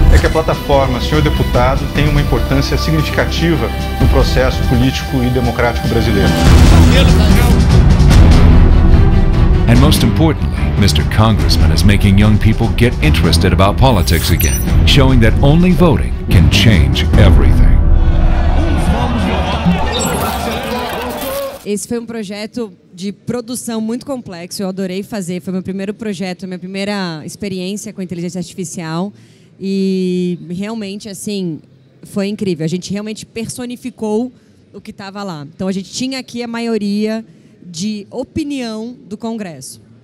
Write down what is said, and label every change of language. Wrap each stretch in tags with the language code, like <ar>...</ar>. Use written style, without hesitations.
<pt>Plataforma, senhor deputado, tem uma importância significativa no processo político e democrático brasileiro.</pt> <en>And most importantly, Mr. Congressman is making young people get interested about politics again, showing that only voting can change everything.</en> <pt>Esse foi um projeto de produção muito complexo, eu adorei fazer, foi meu primeiro projeto, minha primeira experiência com inteligência artificial. E realmente, assim, foi incrível. A gente realmente personificou o que estava lá. Então, a gente tinha aqui a maioria de opinião do Congresso.</pt>